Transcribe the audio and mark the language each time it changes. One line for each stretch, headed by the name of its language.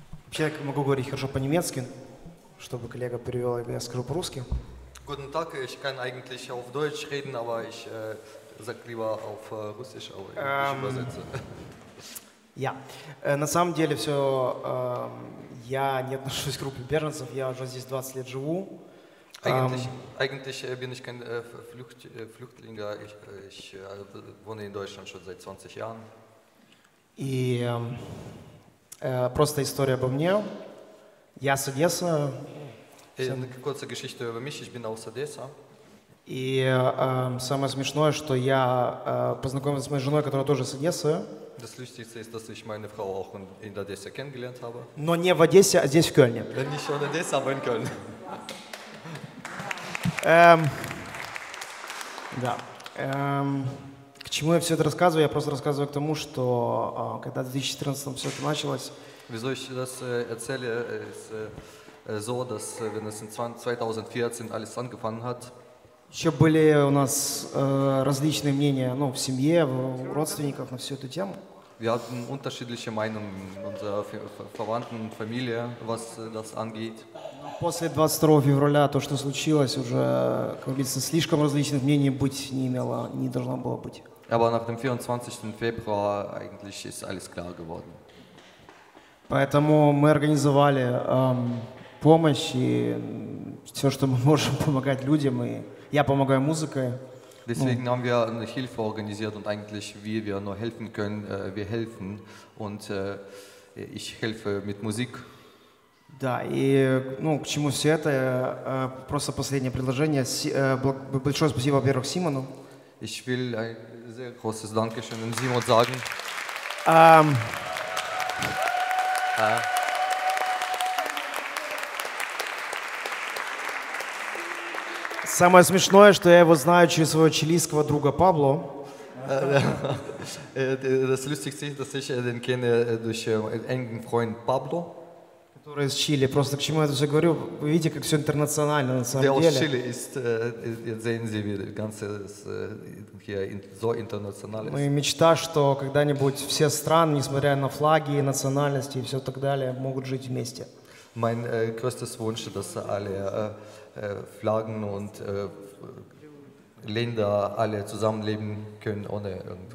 Russian: Человек, могу говорить хорошо по-немецки, чтобы коллега перевел, я скажу по-русски.
German: Guten Tag, ich kann eigentlich auf Deutsch reden, aber ich sag lieber auf Russisch, aber ich übersetze.
Russian: Ja, на самом деле все, я не отношусь к группе беженцев, я уже здесь 20 лет живу.
German: Eigentlich bin ich kein Flüchtling, ich wohne in Deutschland schon seit 20 Jahren.
Russian: И... просто история обо мне. Я с Одессы. Какая-то история обо мне,
German: я бин аус
Russian: Одесса. И самое смешное, что я познакомился с моей женой, которая тоже с Одессы.
German: Das lustigste ist, dass ich meine Frau auch in Одессе kennengelernt habe.
Russian: Но не в Одессе, а здесь, в Кёльне.
German: Nicht in Одессе, aber in Köln.
Russian: Да. К чему я все это рассказываю? Я просто рассказываю к тому, что когда в 2014 все это началось...
German: Wieso ich das erzähle, ist, so, dass wenn es in 2014 alles angefangen hat.
Russian: Ещё были у нас различные мнения, ну, в семье, в родственниках на всю эту тему.
German: Wir hatten unterschiedliche Meinungen unserer Verwandten und Familie, was das angeht.
Russian: После 22 февраля то, что случилось, уже, как говорится, слишком различных мнений быть не имело, не должно было быть.
German: Aber nach dem 24. Februar eigentlich ist alles klar geworden.
Russian: Поэтому мы организовали помощь и все, что мы можем помогать людям, и я помогаю музыкой.
German: Deswegen haben wir eine Hilfe organisiert und eigentlich, wie wir nur helfen können, wir helfen und ich helfe mit Musik.
Russian: Да, и ну, к чему все это, просто последнее предложение. Большое спасибо, во-первых, Симону.
German: Ich will ein sehr großes Dankeschön an Simon sagen.
Russian: Самое смешное, что я его знаю через своего чилийского друга Пабло.
German: Das lustigste ist, dass ich den kenne durch engen Freund Pablo.
Russian: Который из Чили. Просто к чему я это все говорю? Вы видите, как все интернационально на самом деле.
German: Der aus Chile ist, jetzt sehen Sie, wie das Ganze hier so international ist.
Russian: Моя мечта, что когда-нибудь все страны, несмотря на флаги, национальности и все так далее, могут жить вместе.
German: Mein größtes Wunsch, dass alle Flaggen und Länder alle zusammenleben können ohne irgendwas.